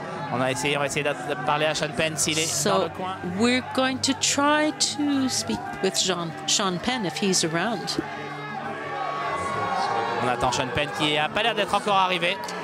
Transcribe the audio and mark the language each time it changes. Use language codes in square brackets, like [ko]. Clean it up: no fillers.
[fr] On va essayer de parler à Sean Penn s'il est dans le coin. [en] We're going to try to speak with Sean Penn if he's around. [fr] On attend Sean Penn qui n'a pas l'air d'être encore arrivé.